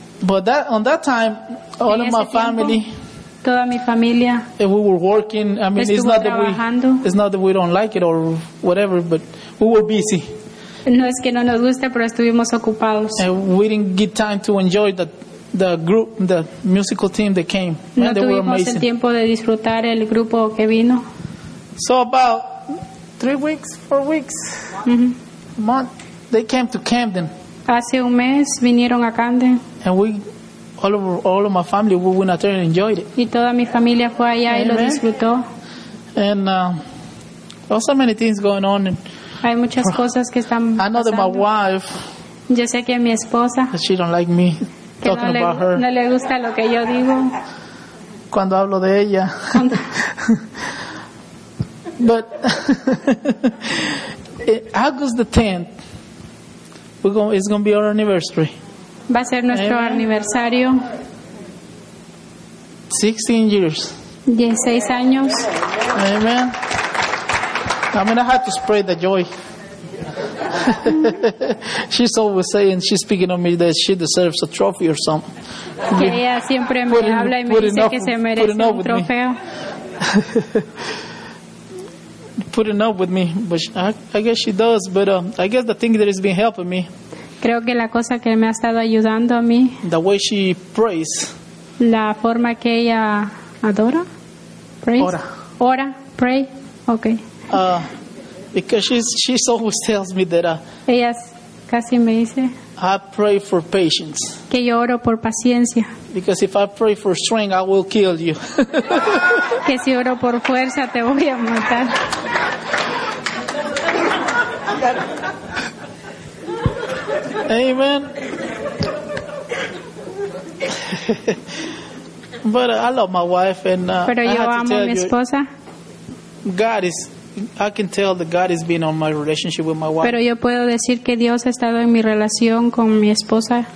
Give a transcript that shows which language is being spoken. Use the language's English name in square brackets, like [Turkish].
[English] But that on that time, all of my family. [Spanish] Toda mi familia. [English] And we were working. I mean, it's not [Spanish] trabajando. [English] That we. It's not that we don't like it or whatever, but we were busy. [Spanish] No es que no nos guste, pero estuvimos ocupados. [English] And we didn't get time to enjoy the group, the musical team that came. [Spanish] Man, no tuvimos [English] they were [Spanish] el tiempo de disfrutar el grupo que vino. [English] So about 3 weeks, 4 weeks, mm-hmm. a month, they came to Camden. [Spanish] Hace un mes vinieron a Camden. [English] And we, all of my family, we went out there and enjoyed it. [Spanish] Y toda mi familia fue allá y lo disfrutó. [English] And also many things going on. [Spanish] Hay muchas cosas que están pasando. [English] I know that my wife. [Spanish] Yo sé que mi esposa. [English] She don't like me talking about her. [Spanish] No le gusta lo que yo digo. Cuando hablo de ella. [English] But August the 10th, it's going to be our anniversary. [Spanish] Va a ser nuestro aniversario. [English] 16 years. [Spanish] 16 años. [English] Amen. I mean, I had to spread the joy. She's always saying, she's speaking of me, that she deserves a trophy or something. [Spanish] Que ella siempre me habla y me dice que se merece un trofeo. [English] Putting up with me, but I guess she does. But I guess the thing that has been helping me. [Spanish] Creo que la cosa que me ha estado ayudando a mí. [English] The way she prays. [Spanish] La forma que ella adora. [English] Prays. [Spanish] Ora. Ora. [English] Pray. Okay. Because she always tells me that. [Spanish] Ella casi me dice. [English] I pray for patience. [Spanish] Que yo oro por paciencia. [English] Because if I pray for strength, I will kill you. [Spanish] Que si oro por fuerza, te voy a matar. [English] Amen. But I love my wife, and [Spanish] pero yo [English] I have [Spanish] amo [English] to tell [Spanish] mi esposa. [English] God is. I can tell that God has been on my relationship with my wife. [Spanish] Pero yo puedo decir que Dios ha estado en mi relación con mi esposa.